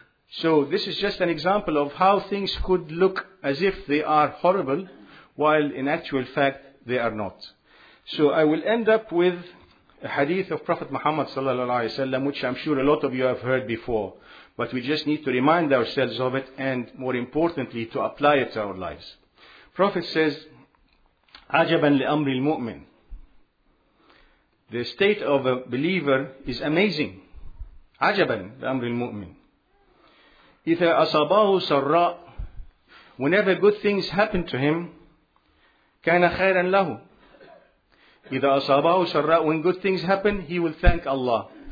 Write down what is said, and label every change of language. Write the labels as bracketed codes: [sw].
[en] So this is just an example of how things could look as if they are horrible, while in actual fact they are not. So I will end up with a hadith of Prophet Muhammad sallallahu alaihi wasallam, which I'm sure a lot of you have heard before, but we just need to remind ourselves of it, and more importantly, to apply it to our lives. Prophet says, [ar] عَجَبًا لِأَمْرِ الْمُؤْمِنِ. [en] The state of a believer is amazing. [ar] عَجَبًا لِأَمْرِ الْمُؤْمِنِ. إِذَا أَصَابَهُ سَرَّاءُ. [en] Whenever good things happen to him, [ar] كَانَ خَيْرًا لَهُ. إِذَا أَصَابَهُ سَرَّاءُ. [en] When good things happen, he will thank Allah.